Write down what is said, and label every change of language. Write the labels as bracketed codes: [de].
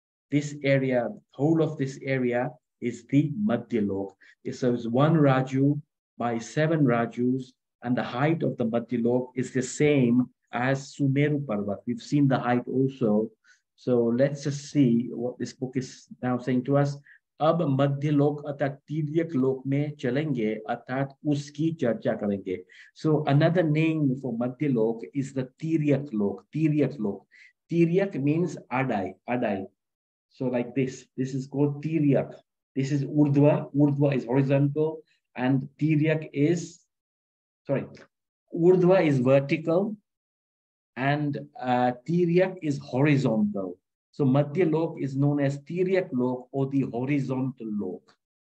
[en] This area, the whole of this area is the Madhya Lok. So it's one Raju by seven Rajus, and the height of the Madhya Lok is the same as Sumeru Parvat. We've seen the height also. So let's just see what this book is now saying to us. [hi] अब मध्य लोक अर्थात तिर्यक लोक में चलेंगे अर्थात उसकी चर्चा करेंगे. [en] So another name for Madhya Lok is the Tiryak Lok. [hi] तिर्यक लोक, तिर्यक means अडाई. [en] So like this is called Tiryak. This is Urdhva is horizontal and Tiryak is, sorry, Urdhva is vertical and Tiryak is horizontal. So Madhya Lok is known as Tiryak Lok or the horizontal lok.